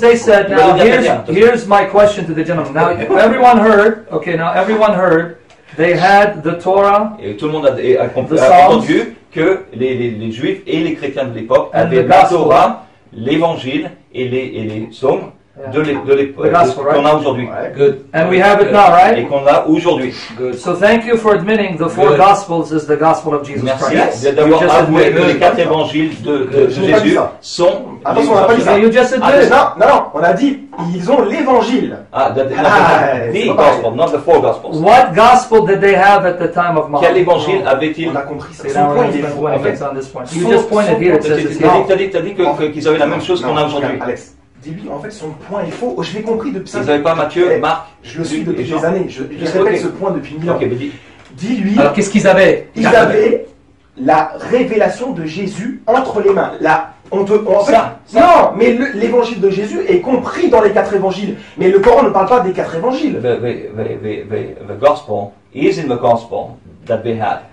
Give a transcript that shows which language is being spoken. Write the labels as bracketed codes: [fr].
[en] they said, now here's my question to the gentleman. Now everyone heard. Okay, now everyone heard. They had the Torah. [fr] Et tout le monde a entendu que les Juifs et les chrétiens de l'époque avaient la Torah, l'Évangile et les psaumes de l'époque qu'on a aujourd'hui. [en] Good. And we have it now, right? [fr] Et qu'on a aujourd'hui. [en] Good. So thank you for admitting the four Gospels is the Gospel of Jesus Christ. [fr] Merci d'avoir avoué que les quatre Évangiles de Jésus sont. Attention, on n'a pas dit ça. [en] You just admitted. [fr] Non, on a dit ils ont l'Évangile. [en] The Gospel, not the four Gospels. What Gospel did they have at the time of Muhammad? [fr] Quel Évangile avait-il? On a compris. C'est un point important. You just pointed here. T'as dit qu'ils avaient la même chose qu'on a aujourd'hui. Alex. Début, en fait, son point est faux. Oh, je l'ai compris depuis ça. Vous n'avez pas Matthieu, hey, Marc. Je le suis depuis des années. Je répète ce point depuis mille ans. Okay, dis. Dis-lui. Alors, qu'est-ce qu'ils avaient? Ils avaient la révélation de Jésus entre les mains. Là, Non, mais l'évangile de Jésus est compris dans les quatre évangiles. Mais le Coran ne parle pas des quatre évangiles. [en] The gospel is in the gospel that they had.